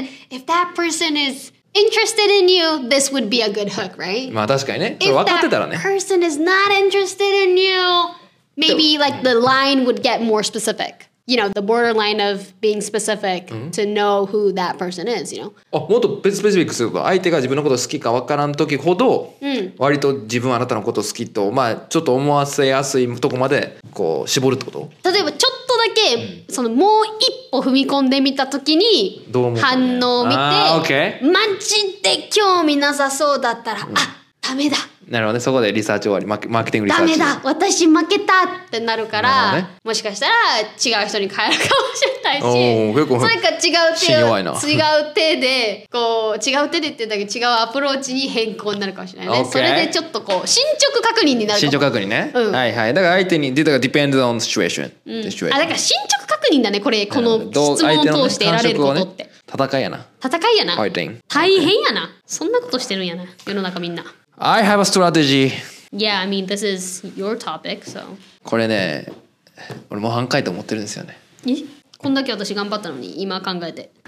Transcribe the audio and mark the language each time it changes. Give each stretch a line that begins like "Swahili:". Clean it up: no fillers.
English: if that person isInterested in you, this would be a good hook, right?
Japanese: まあ確かにね。それ分かってたらね。
English: If that person is not interested in you, maybe like the line would get more specific. You know, the borderline of being specific to know who that person is, you know?
Japanese: あ、もっとスペシフィックすると、相手が自分のこと好きか分からん時ほど、割と自分はあなたのこと好きと、まあちょっと思わせやすいとこまでこう絞るってこと？例えばちょっとだけ、そのもう一歩踏み込んでみた時に、どう思う？反応を見て、あー、OK。マジで興味なさそうだったら、あ、ダメだ。なるほどね、そこでリサーチ終わり、マーケティングリサーチ。ダメだ、私負けたってなるから、もしかしたら違う人に変えるかもしれないし、それか違う手、信用いな違う手で、こう、違う手でって言ったけど、違うアプローチに変更になるかもしれないね。
English: Okay.
Japanese: それでちょっとこう、進捗確認になるかも。進捗確認ね、うん。はいはい。だから相手に、だから
English: depends on the situation.、
Japanese: うん、あ、だから進捗確認だね、これ、この質問を通して得られることって。戦いやな。戦いやな。大変やな。そんなことしてるんやな、世の中みんな。
English: I have a strategy. Yeah, I mean, this is your topic, so.
Japanese: これね、俺模範解答持ってるんですよね。え？こんだけ私頑張ったのに、今考えて。